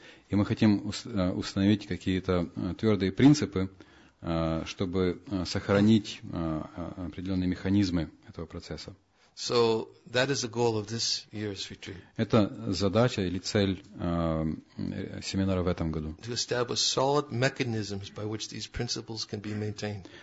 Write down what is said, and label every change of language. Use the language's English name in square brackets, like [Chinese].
[Russian] И мы хотим установить какие-то твердые принципы, чтобы сохранить определенные механизмы этого процесса. [English] So that is the goal of this year's retreat. [Russian] Это задача или цель семинара в этом году. [English] To establish solid mechanisms by which these principles can be maintained.